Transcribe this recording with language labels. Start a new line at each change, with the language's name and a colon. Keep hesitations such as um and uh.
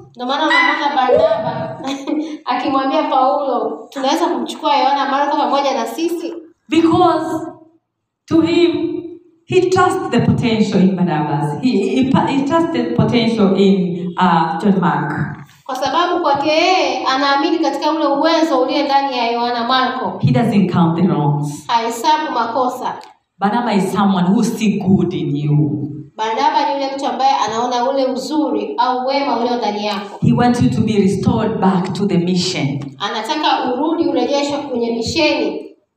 Swahili: Ndio maana unaona Barnaba akimwambia Paulo, tunaweza kumchukua Yohana Marko pamoja na sisi? Because
English: to him he trusts the potential in Barnabas. He he, he, he trusts the potential in uh, John Mark
Swahili: kwa sababu kwake yeye anaamini katika ule uwezo ulio ndani ya Yohana Marko.
English: He doesn't count the wrongs.
Swahili: Hahesabu makosa.
English: Barnaba is someone who see good in you.
Swahili: Barnaba ni yule mtu ambaye anaona ule uzuri au wema ulio ndani yako.
English: He wants you to be restored back to the mission.
Swahili: Anataka urudi urejeshwe kwenye misheni.